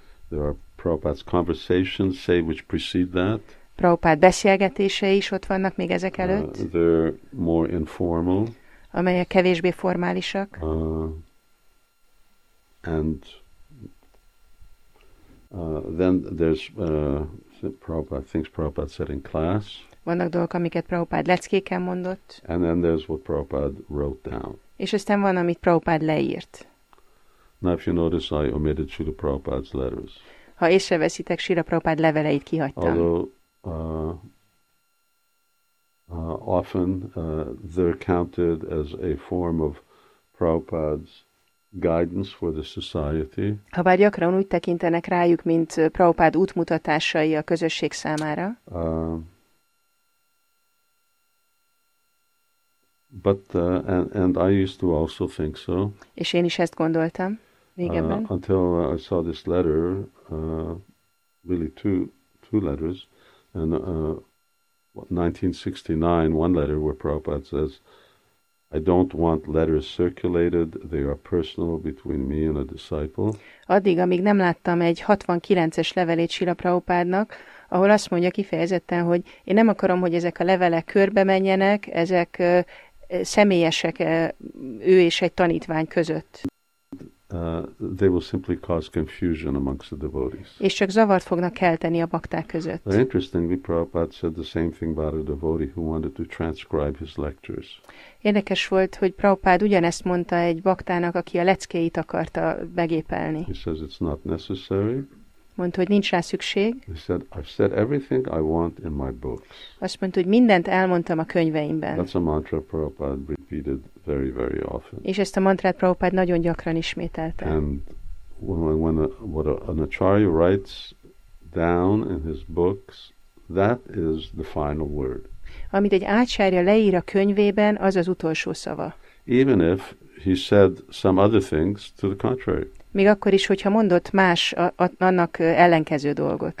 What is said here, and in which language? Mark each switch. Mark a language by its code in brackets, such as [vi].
[en] There are Prabhupada's conversations, say, which precede that. [hu] Prabhupád beszélgetései is ott vannak még ezek előtt. [en] They're more informal. [hu] Amelyek kevésbé formálisak. [en] And then there's Prabhupada, things Prabhupada said in class. [hu] Vannak dolgok, amiket Prabhupada leckéken mondott. [en] And then there's what Prabhupada wrote down. [hu] És aztán van, amit Prabhupada leírt. [en] Now if you notice, I omitted Srila Prabhupada's letters. [hu] Ha észreveszitek, Srila Prabhupada leveleit kihagytam. [en] Although often they're counted as a form of Prabhupada's guidance for the society. [hu] Habár gyakran úgy tekintenek rájuk, mint Prabhupád útmutatásai a közösség számára. [en] But I used to also think so. [hu] És én is ezt gondoltam régebben. [en] Until I saw this letter, really two letters, and 1969, one letter where Prabhupada says, I don't want letters circulated, they are personal between me and a disciple. [hu] Addig, amíg nem láttam egy 69-es levelét Srila Prabhupádnak, ahol azt mondja kifejezetten, hogy én nem akarom, hogy ezek a levelek körbe menjenek, ezek személyesek ő és egy tanítvány között. [en] They will simply cause confusion amongst the devotees. [hu] És csak zavart fognak kelteni a bakták között. [en] But interestingly, Prabhupada said the same thing about a devotee who wanted to transcribe his lectures. [hu] Érdekes volt, hogy Prabhupada ugyanezt mondta egy baktának, aki a leckéit akarta begépelni. [en] He says it's not necessary. [hu] Mondta, hogy nincs rá szükség. [en] He said, I've said everything I want in my books. [hu] Azt mondta, hogy mindent elmondtam a könyveimben. [en] That's a mantra Prabhupada repeated very, very often. [hu] És ezt a mantrát Prabhupada nagyon gyakran ismételte. [en] And when an acharya writes down in his books, that is the final word. [hu] Amit egy ácsárja leír a könyvében, az az utolsó szava. [en] Even if he said some other things to the contrary. [hu] Még akkor is, hogyha mondott más annak ellenkező dolgot.